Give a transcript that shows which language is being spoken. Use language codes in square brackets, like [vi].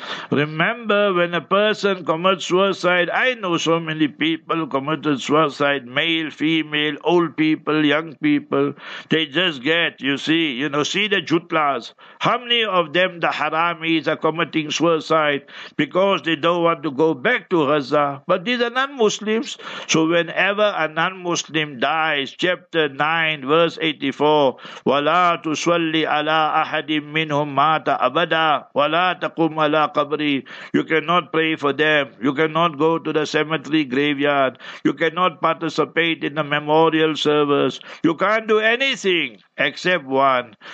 [en] Remember, when a person commits suicide, I know so many people committed suicide, male, female, old people, young people. They just get, see the jutlas. How many of them, the haramis, are committing suicide because they don't want to go back to Gaza? But these are non-Muslims. So whenever a non-Muslim dies, chapter 9, verse 84, [ar] وَلَا تُسْوَلِّ عَلَىٰ أَحَدٍ مِّنْهُمْ مَاتَ أَبَدًا وَلَا تَقُمْ عَلَىٰ قَبْرِ. [en] You cannot pray for them. You cannot go to the cemetery graveyard. You cannot participate in the memorial service. You can't do anything except one.